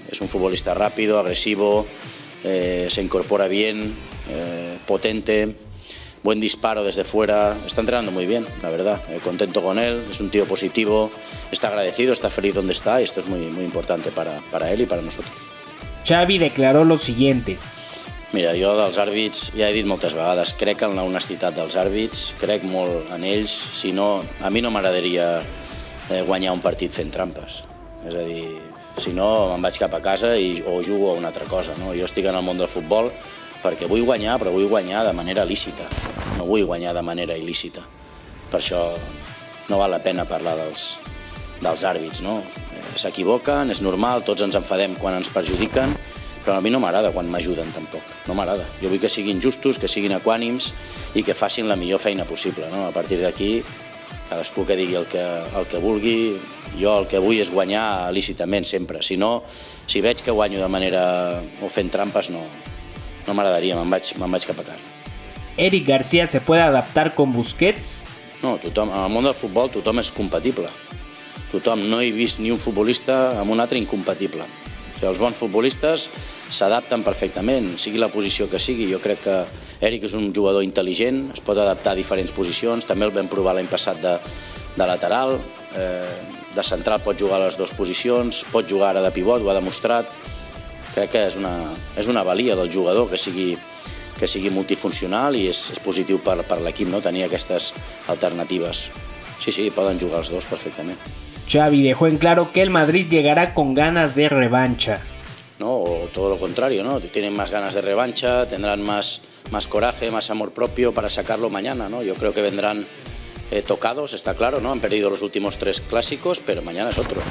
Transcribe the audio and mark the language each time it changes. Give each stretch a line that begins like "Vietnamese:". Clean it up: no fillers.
Spanish: Es un futbolista rápido, agresivo, se incorpora bien, potente, buen disparo desde fuera. Está entrenando muy bien, la verdad. Contento con él, es un tío positivo, está agradecido, está feliz donde está y esto es muy, muy importante para él y para nosotros. Xavi declaró lo siguiente.
Catalan: Mira, jo dels àrbits ja he dit moltes vegades, crec en l'honestitat dels àrbits, crec molt en ells, si no, a mi no m'agradaria guanyar un partit fent trampes. És a dir, si no, me'n vaig cap a casa o jugo a una altra cosa, no? Jo estic en el món del futbol perquè vull guanyar, però vull guanyar de manera lícita, no vull guanyar de manera il·lícita. Per això no val la pena parlar dels àrbits, no? S'equivoquen, és normal, tots ens enfadem quan ens perjudiquen, però a mi no m'agrada quan m'ajuden tampoc, no m'agrada. Jo vull que siguin justos, que siguin equànims i que facin la millor feina possible, no? A partir d'aquí, cadascú que digui el que vulgui, jo el que vull és guanyar lícitament sempre. Si no, si veig que guanyo de manera, o fent trampes, no m'agradaria, me'n vaig cap a casa.
Spanish: Eric García se puede adaptar con Busquets?
Catalan: No, tothom, en el món del futbol tothom és compatible. Tothom, no he vist ni un futbolista amb un altre incompatible. O sigui, els bons futbolistes s'adapten perfectament, sigui la posició que sigui. Jo crec que Eric és un jugador intel·ligent, es pot adaptar a diferents posicions. També el vam provar l'any passat de lateral. De central pot jugar a les dues posicions, pot jugar ara de pivot, ho ha demostrat. Crec que és una valia del jugador que sigui multifuncional i és positiu per l'equip, no? Tenir aquestes alternatives. Sí, sí, poden jugar els dos perfectament.
Spanish: Xavi dejó en claro que el Madrid llegará con ganas de revancha. No, o todo lo contrario, ¿no? Tienen más ganas de revancha, tendrán más coraje, más amor propio para sacarlo mañana, ¿no? Yo creo que vendrán tocados, está claro, ¿no? Han perdido los últimos tres clásicos, pero mañana es otro.